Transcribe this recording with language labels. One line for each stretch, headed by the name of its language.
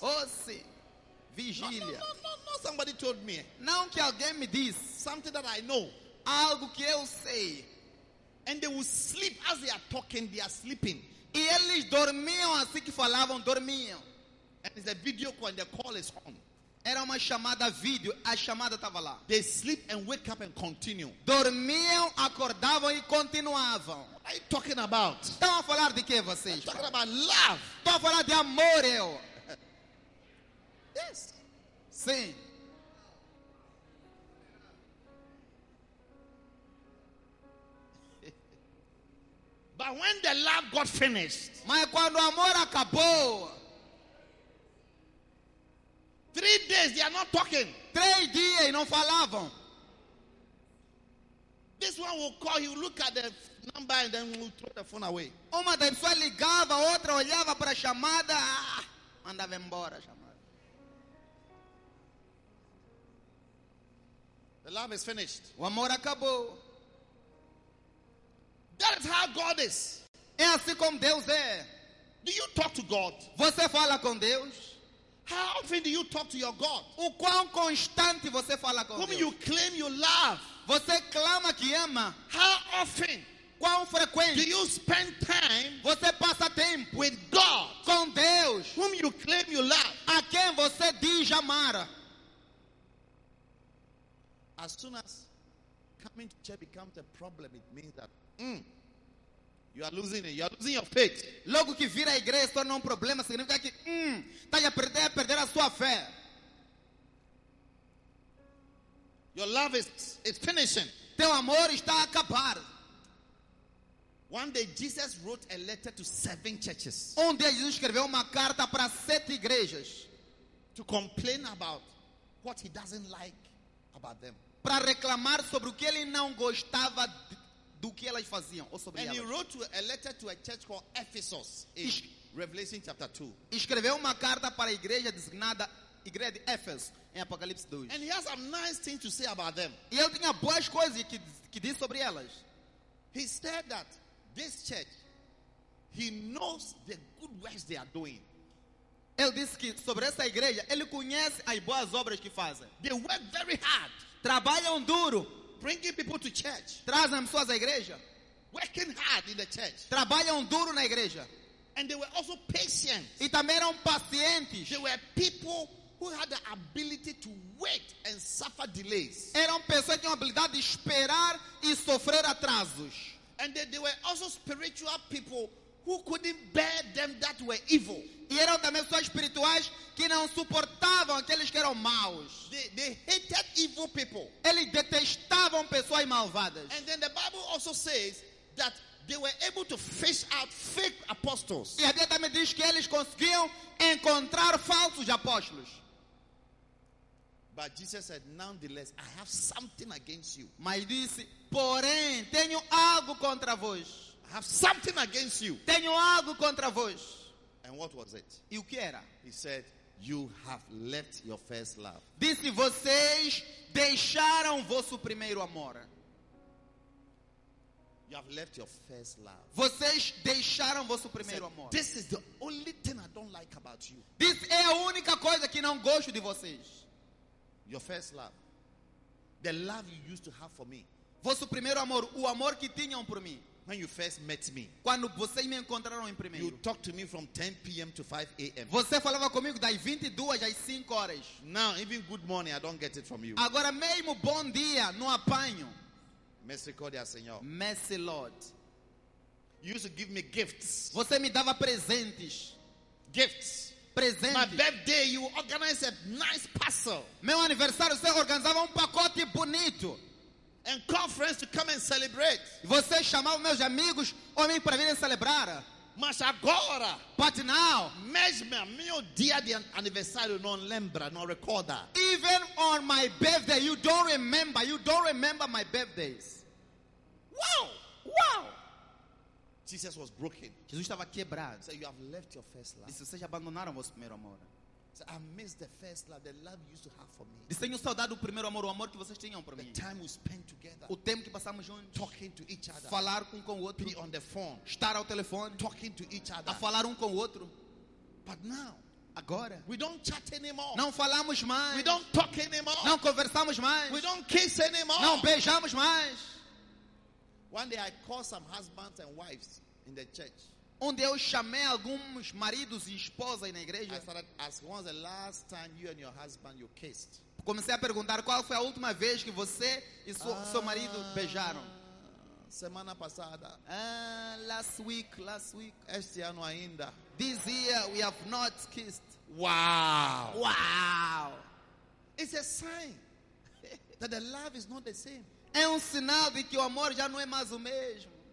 Portuguese: Oh sim. Vigília.
English: No, somebody told me.
Portuguese: Não que alguém me disse.
English: Something that I know.
Portuguese: Algo que eu sei.
English: And they will sleep as they are talking, they are sleeping.
Portuguese: E eles dormiam assim que falavam, dormiam.
English: And it's a video call and the call is on.
Portuguese: Era uma chamada vídeo, a chamada estava lá.
English: They sleep and wake up and continue.
Portuguese: Dormiam, acordavam e continuavam.
English: What are you talking about?
Portuguese: Estão a falar de que vocês?
English: I'm talking about love.
Portuguese: Estão a falar de amor, eu.
English: Yes.
Portuguese: Sim.
English: But when the love got finished,
Portuguese: mas quando o amor acabou,
English: 3 days they are not talking.
Portuguese: 3 dias não falavam.
English: This one will call, he will look at the number and then will throw the phone away.
Portuguese: Uma da pessoa ligava, outra olhava para a chamada, mandava embora a chamada.
English: The love is finished.
Portuguese: O amor acabou.
English: That is how God is.
Portuguese: É assim como Deus é.
English: Do you talk to God?
Portuguese: Você fala com Deus?
English: How often do you talk to your God?
Portuguese: O quão constante você fala com
English: whom
Portuguese: Deus?
English: You claim you love?
Portuguese: Você clama que ama?
English: How often?
Portuguese: Quão frequente?
English: Do you spend time?
Portuguese: Você passa tempo
English: with God?
Portuguese: Com Deus?
English: Whom you claim you love?
Portuguese: A quem você diz amar?
English: As soon as coming to church becomes a problem, it means that you are losing it. You are losing your faith.
Portuguese: Logo que vir a igreja se torna problema, significa que está a perder a sua fé.
English: Your love is finishing.
Portuguese: Teu amor está a acabar.
English: One day Jesus wrote a letter to 7 churches.
Portuguese: Um dia Jesus escreveu uma carta para 7 igrejas.
English: To complain about what he doesn't like about them.
Portuguese: Para reclamar sobre o que ele não gostava de do que elas faziam ou sobre
English: and He wrote a letter to a church called Ephesus in Revelation chapter 2.
Portuguese: Escreveu uma carta para a igreja designada igreja de Éfeso em Apocalipse 2.
English: And he has some nice things to say about them.
Portuguese: E ele tinha boas coisas que diz sobre elas.
English: He said that this church, he knows the good works they are doing.
Portuguese: Ele disse que sobre essa igreja ele conhece as boas obras que fazem.
English: They work very hard.
Portuguese: Trabalham duro.
English: Bringing people to church.
Portuguese: Trazem pessoas à igreja.
English: Working hard in the church.
Portuguese: Trabalham duro na igreja.
English: And they were also patient.
Portuguese: E também eram pacientes.
English: They were people who had the ability to wait and suffer delays.
Portuguese: Eram pessoas que tinham a habilidade de esperar e sofrer atrasos.
English: And they were also spiritual people who couldn't bear them that were evil.
Portuguese: E eram também pessoas espirituais que não suportavam aqueles que eram maus.
English: They hated evil people.
Portuguese: Eles detestavam pessoas malvadas.
English: And then the Bible also says that they were able to fish out fake apostles.
Portuguese: E a Bíblia também diz que eles conseguiam encontrar falsos apóstolos.
English: But Jesus said, nonetheless, I have something against you.
Portuguese: Mas disse, porém, tenho algo contra vós.
English: I have something against you.
Portuguese: Tenho algo contra vós.
English: And what was it?
Portuguese: E o que era?
English: He said, you have left your first love.
Portuguese: Disse, vocês deixaram vosso primeiro amor.
English: You have left your first love.
Portuguese: Vocês deixaram vosso primeiro amor.
English: This is the only thing I don't like about you.
Portuguese: This é a única coisa que não gosto de vocês.
English: Your first love. The love you used to have for me.
Portuguese: Vosso primeiro amor, o amor que tinham por mim.
English: When you first met me,
Portuguese: quando vocês me encontraram em primeiro,
English: you talked to me from 10 p.m. to 5 a.m.
Portuguese: Você falava comigo das 22 às 5 horas.
English: Now, even good morning, I don't get it from you.
Portuguese: Agora mesmo bom dia, não apanho. Misericórdia, Senhor.
English: Mercy, Lord. You used to give me gifts.
Portuguese: Você me dava presentes.
English: Gifts.
Portuguese: Presentes.
English: My birthday, you organize a nice parcel.
Portuguese: Meu aniversário, você organizava pacote bonito.
English: And call friends to come and celebrate.
Portuguese: Você chamava meus amigos ou amigos para virem celebrar. Mas agora,
English: but now,
Portuguese: mesmo a meu dia de aniversário não lembra, não recorda.
English: Even on my birthday, you don't remember my birthdays. Wow. Jesus was broken.
Portuguese: Jesus estava quebrado.
English: Said, you have left your first love.
Portuguese: Disse, vocês abandonaram vosso primeiro amor.
English: Said, I miss the first love, the love you used to have for me.
Portuguese: Disse, tenho saudade do primeiro amor, o amor que vocês tinham para mim.
English: The time we spent together.
Portuguese: O tempo que passamos juntos.
English: Talking to each other.
Portuguese: Falar um com o outro.
English: Be on the phone.
Portuguese: Estar ao telefone.
English: Talking to each other.
Portuguese: A falar um com o outro.
English: But now,
Portuguese: agora,
English: we don't chat anymore.
Portuguese: Não falamos mais.
English: We don't talk anymore.
Portuguese: Não conversamos mais.
English: We don't kiss anymore.
Portuguese: Não beijamos mais.
English: One day I called some husbands and wives in the church.
Portuguese: Onde eu chamei alguns maridos e esposas na igreja.
English: I started asking, when was the last time you and your husband you kissed?
Portuguese: Comecei a perguntar qual foi a última vez que você e seu marido beijaram. Semana passada.
English: Last week.
Portuguese: Este ano ainda.
English: This year we have not kissed. Wow. It's a sign that the love is not the same.
Portuguese: É um sinal de que o amor já não é mais o mesmo.